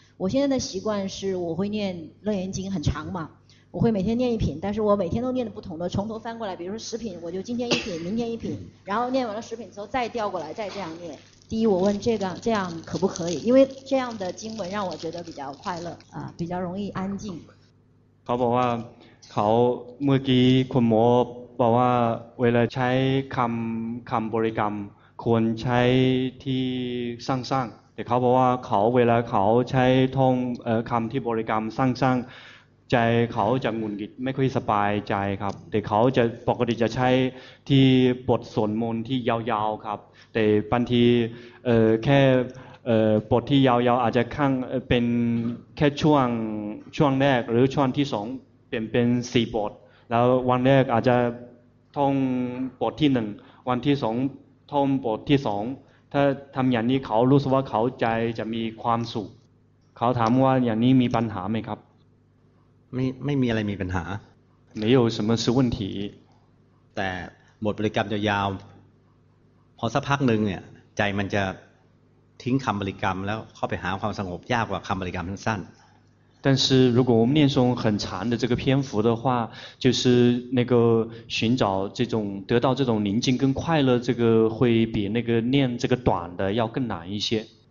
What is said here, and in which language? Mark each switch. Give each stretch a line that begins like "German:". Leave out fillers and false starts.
Chinese: 我现在的习惯是我会念楞严经很长嘛。我会每天念一品，但是我每天都念的不同的，从头翻过来，比如说十品，我就今天一品，明天一品，然后念完了十品之后再调过来，再这样念。第一，我问这样可不可以？因为这样的经文让我觉得比较快乐啊，比较容易安静。
Thai: เขาบอกว่าเขาเมื่อกี้คุณหมอบอกว่าเวลาใช้คำบริกรรมควรใช้ที่สร้างแต่เขาบอกว่าเขาเวลาเขาใช้ท่องคำที่บริกรรมสร้าง ใจเขาจะหงุดหงิดไม่ค่อยสบายใจครับแต่เขาจะปกติจะใช้ที่บทสวดมนต์ที่ยาวๆครับแต่บางทีแค่บทที่ยาวๆอาจจะข้างเป็นแค่ช่วงแรกหรือช่วงที่สองเป็น4บทแล้ววันแรกอาจจะท่องบทที่1วันที่2ท่องบทที่2ถ้าทําอย่างนี้เขารู้สึกว่าเขาใจจะมีความสุขเขาถามว่าอย่างนี้มีปัญหามั้ยครับ ไม่มีอะไรมีปัญหา
Chinese: 没有什么问题
Thai: แต่บทบริกรรมจะยาวพอสักพักนึงเนี่ยใจมันจะทิ้งคําบริกรรมแล้วเข้าไปหาความสงบยากกว่าคําบริกรรมสั้น
Chinese: 但是如果我们念诵很长的这个篇幅的话，就是那个寻找这种得到这种宁静跟快乐，这个会比那个念这个短的要更难一些。